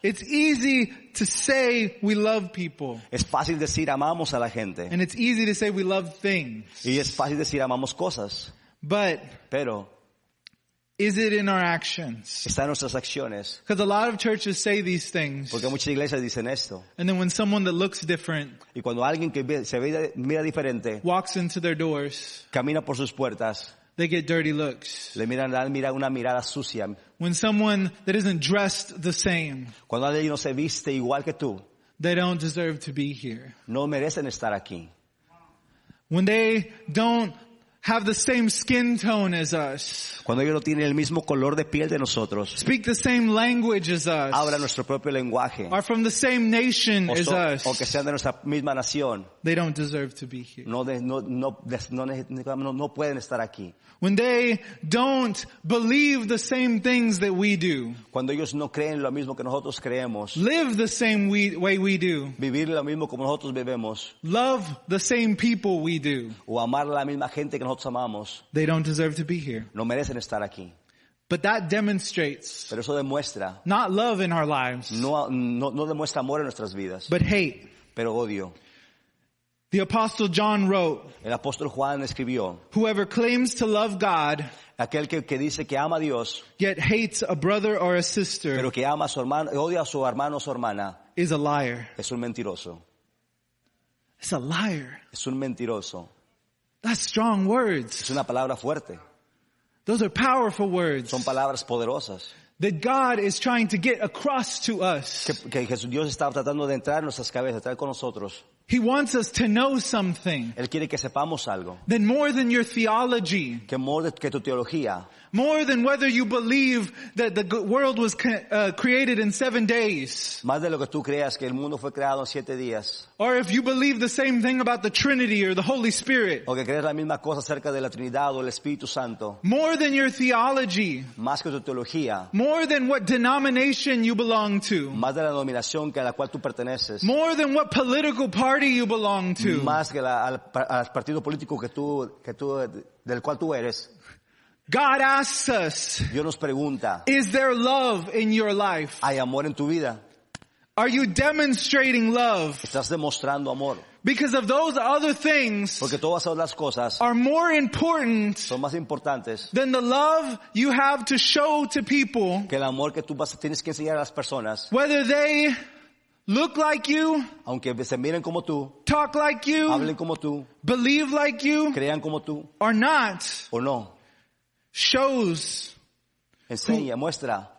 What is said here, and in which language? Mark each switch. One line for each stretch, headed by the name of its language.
English: It's easy to say we love people.
Spanish: Es fácil decir amamos a la gente.
English: And it's easy to say we love things.
Spanish: Y es fácil decir amamos cosas.
English: But.
Spanish: Pero.
English: Is it in our actions?
Spanish: Está en nuestras acciones.
English: Because a lot of churches say these things.
Spanish: Porque muchas iglesias dicen esto.
English: And then when someone that looks different.
Spanish: Y cuando alguien que se ve mira diferente.
English: Walks into their doors.
Spanish: Camina por sus puertas.
English: They get dirty looks.
Spanish: Le miran una mirada sucia.
English: When someone that isn't dressed the same.
Spanish: Cuando alguien no se viste igual que tú.
English: They don't deserve to be here.
Spanish: No merecen estar aquí.
English: When they don't have the same skin tone as us.
Spanish: Cuando ellos no tienen el mismo color de piel de nosotros.
English: Speak the same language as us.
Spanish: Hablan nuestro propio lenguaje.
English: Are from the same nation as us.
Spanish: O que sean de nuestra misma nación.
English: They don't deserve to be here.
Spanish: No pueden estar aquí.
English: When they don't believe the same things that we do.
Spanish: Cuando ellos no creen lo mismo que nosotros creemos.
English: Live the same way we do.
Spanish: Vivir lo mismo como nosotros vivimos.
English: Love the same people we do.
Spanish: O amar la misma gente que nosotros amamos.
English: They don't deserve to be here.
Spanish: No merecen estar aquí.
English: But that demonstrates.
Spanish: Pero eso demuestra.
English: Not love in our lives.
Spanish: No demuestra amor en nuestras vidas.
English: But hate.
Spanish: Pero odio.
English: The Apostle John wrote,
Spanish: el apóstol Juan escribió,
English: whoever claims to love God,
Spanish: aquel que dice que ama a Dios,
English: yet hates a brother or a sister,
Spanish: pero que ama a su hermano, odia a su hermano o su hermana,
English: is a liar.
Spanish: Es un mentiroso.
English: It's a liar.
Spanish: Es un mentiroso.
English: That's strong words.
Spanish: Es una palabra fuerte.
English: Those are powerful words.
Spanish: Son palabras poderosas.
English: That God is trying to get across to us.
Spanish: Que Jesús, Dios está tratando de entrar en nuestras cabezas, estar con nosotros.
English: He wants us to know something.
Spanish: Él quiere que sepamos algo.
English: Then more than your theology.
Spanish: Que
English: more
Spanish: de, que tu teología.
English: More than whether you believe that the world was created in 7 days.
Spanish: Más de lo que tú creas que el mundo fue creado en 7 días.
English: Or if you believe the same thing about the Trinity or the Holy Spirit.
Spanish: O que crees la misma cosa acerca de la Trinidad o el Espíritu Santo.
English: More than your theology.
Spanish: Más que tu teología.
English: More than what denomination you belong to.
Spanish: Más de la denominación que a la cual tú perteneces.
English: More than what political party you belong to.
Spanish: Más que al partido político que tú del cual tú eres.
English: God asks us,
Spanish: Dios nos pregunta,
English: is there love in your life?
Spanish: ¿Hay amor en tu vida?
English: Are you demonstrating love?
Spanish: ¿Estás demostrando amor?
English: Because of those other things,
Spanish: porque todas las cosas
English: are more important,
Spanish: son más importantes
English: than the love you have to show to people,
Spanish: que el amor que tú tienes que enseñar a las personas,
English: whether they look like you,
Spanish: aunque se miren como tú,
English: talk like you,
Spanish: hablen como tú,
English: believe like you,
Spanish: crean como tú,
English: or not,
Spanish: o no.
English: Shows
Spanish: enseña, muestra